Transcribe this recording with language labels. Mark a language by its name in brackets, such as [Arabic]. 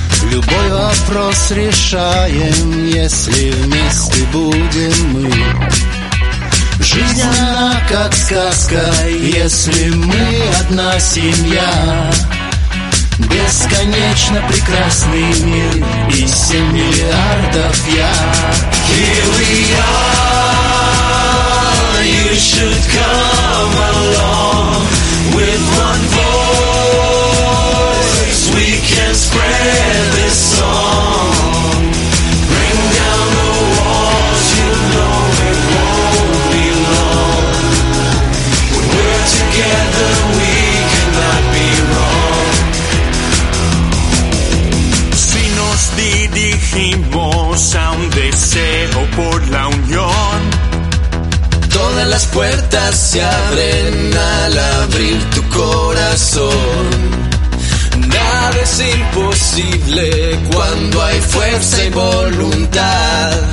[Russian] Любой вопрос решаем, если вместе будем мы. Жизнь она как сказка, если мы одна семья. Бесконечно прекрасный мир и 7 миллиардов я. [English] Here we are, you should come along. With one voice, we can spread this song. Bring down the walls, you know it won't be long. When we're together, we cannot be wrong. [Spanish] Si nos dirigimos a un deseo, la unión. Todas las puertas se abren al abrir tu corazón. Nada es imposible cuando hay fuerza y voluntad.